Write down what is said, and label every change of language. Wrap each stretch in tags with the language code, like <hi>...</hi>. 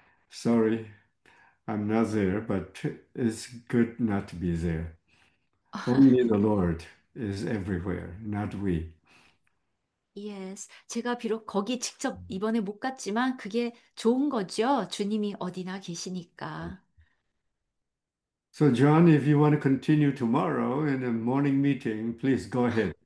<en>Sorry, I'm not there, but it's good not to be there. Only the Lord is everywhere, not we.</en> <ko>Yes, 제가 비록 거기 직접 이번에 못 갔지만 그게 좋은 거죠. 주님이 어디나 계시니까.</ko> <en>So, John, if you want to continue tomorrow in a morning meeting, please go ahead.</en>